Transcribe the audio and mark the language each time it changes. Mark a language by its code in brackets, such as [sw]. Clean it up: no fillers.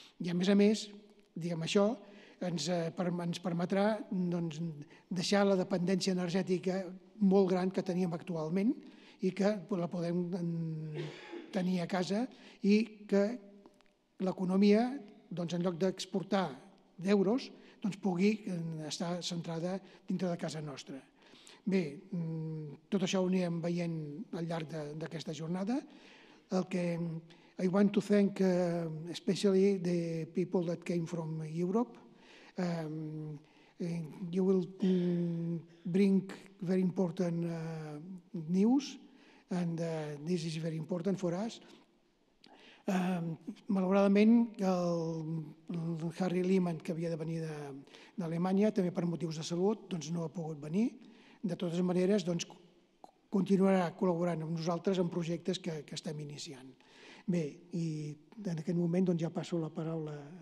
[ca] I a més, diguem això, ens permetrà doncs, deixar la dependència energètica molt gran que teníem actualment i que la podem tenir a casa, i que l'economia, doncs, en lloc d'exportar d'euros, doncs, pugui estar centrada dintre de casa nostra. Bé, tot això ho anirem veient al llarg d'aquesta jornada. El que [en] I want to thank especially the people that came from Europe. You will bring very important news, and this is very important for us. [ca] Malauradament, el Harry Lehmann, que havia de venir d'Alemanya, també per motius de salut, doncs no ha pogut venir. De totes maneres, doncs, continuarà col·laborant amb nosaltres en projectes que estem iniciant. Bé, i en aquest moment doncs, ja passo la paraula.